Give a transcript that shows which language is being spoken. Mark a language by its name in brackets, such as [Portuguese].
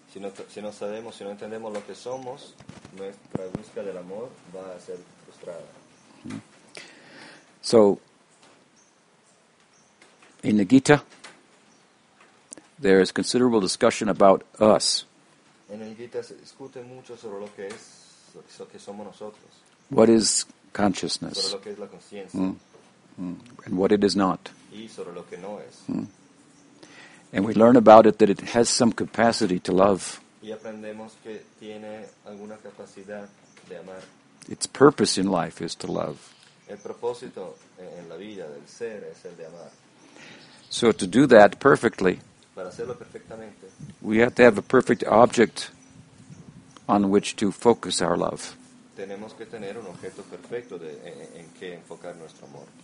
[Spanish] Si no sabemos, si no entendemos lo que somos, nuestra búsqueda del amor va a ser frustrada. [English] So, in the Gita, there is considerable discussion about us. [Spanish] En el Gita se discute mucho sobre lo que es, lo que somos nosotros. [English] What is consciousness? [Spanish] Sobre lo que es la conciencia. [English] And what it is not. [Spanish] Y sobre lo que no es. [English] And we learn about it that it has some capacity to love. [Spanish] Y aprendemos que tiene alguna capacidad de amar. [English] Its purpose in life is to love. [Spanish] El propósito en la vida del ser es el de amar. [English] So to do that perfectly, [Spanish] para hacerlo perfectamente, [English] we have to have a perfect object on which to focus our love. [Spanish] Tenemos que tener un objeto perfecto en que enfocar nuestro amor.